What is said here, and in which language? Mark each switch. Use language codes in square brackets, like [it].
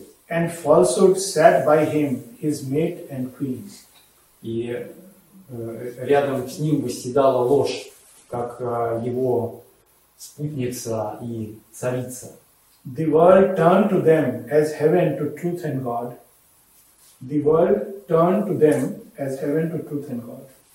[en] And falsehood sat by him, his mate and queen. [ru] И рядом с ним восседала ложь, как его спутница и царица. [en] The world turned to them as heaven to truth and God. The world turned to them as heaven to truth and God.